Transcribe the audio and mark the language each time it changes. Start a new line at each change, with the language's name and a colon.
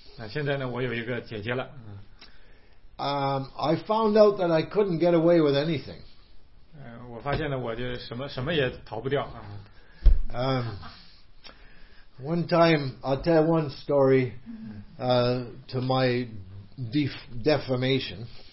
Chinese: 现在呢，我有一个姐姐了。
English: I found out that I couldn't get away with anything.
Chinese: 我发现呢，我就什么也逃不掉啊。
English: One time, I'll tell one story to my defamation.